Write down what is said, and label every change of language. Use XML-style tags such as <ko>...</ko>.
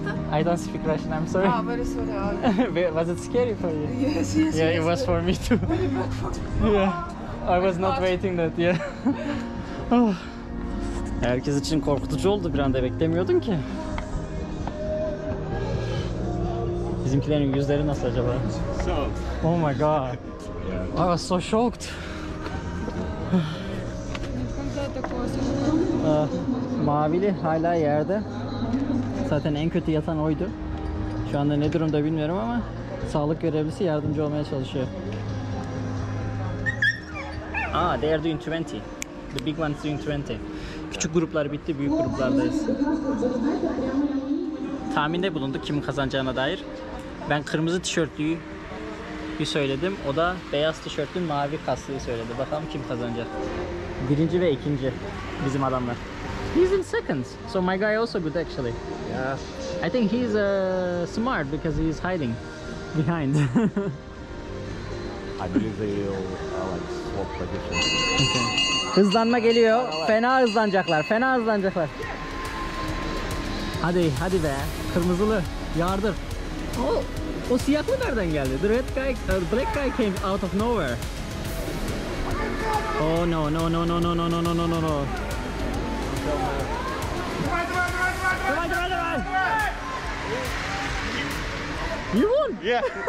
<en>I don't speak Russian, I'm sorry. Was it scary for you? Yes. Yeah, it was for me too. Yeah. I was not waiting that, yeah.</en> <tr>Herkes için korkutucu oldu, bir anda beklemiyordun ki. Bizimkilerin yüzleri nasıl acaba?</tr> <en>So. Oh my god. I was so shocked.</en> <tr>Mavili hala yerde. Zaten en kötü yatan oydu. Şu anda ne durumda bilmiyorum ama sağlık görevlisi yardımcı olmaya çalışıyor.</tr> <en>Ah, they are doing 20. The big ones doing 20.</en> <tr>Küçük gruplar bitti, büyük gruplardayız. Tahminde bulunduk kimin kazanacağına dair. Ben kırmızı tişörtlüyü söyledim. O da beyaz tişörtlü mavi kaslıyı söyledi. Bakalım kim kazanacak. Birinci ve ikinci bizim adamlar.</tr> <en>He's in second. So my guy also good actually. Yeah. I think he's smart because he's hiding behind. I believe they will like swap positions.</en> <tr>Okay. Hızlanma geliyor. Fena hızlanacaklar. Fena hızlanacaklar. Hadi, hadi be. Kırmızılı. Yardır. Oh, o siyahlı nereden geldi?</tr> <en>The red guy, black guy came out of nowhere. Oh no, no, no, no, no, no, no, no, no, no, no. You won? Yeah.</en>